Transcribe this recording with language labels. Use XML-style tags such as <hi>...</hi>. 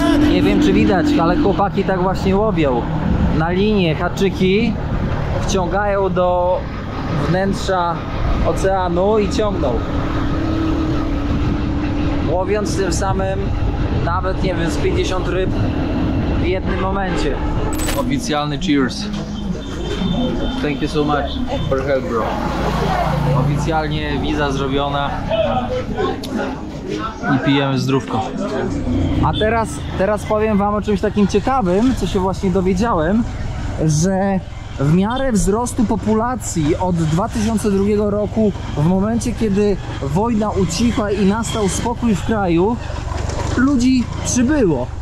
<pl>Nie wiem, czy widać, ale chłopaki tak właśnie łowią. Na linie haczyki wciągają do wnętrza oceanu i ciągną. Łowiąc tym samym, nawet nie wiem, z 50 ryb w jednym momencie. Oficjalny</pl> <en>cheers. Thank you so much for help, bro.</en> <pl>Oficjalnie wiza zrobiona. I pijemy zdrówko. A teraz powiem wam o czymś takim ciekawym, co się właśnie dowiedziałem, że w miarę wzrostu populacji od 2002 roku, w momencie kiedy wojna ucichła i nastał spokój w kraju, ludzi przybyło.</pl>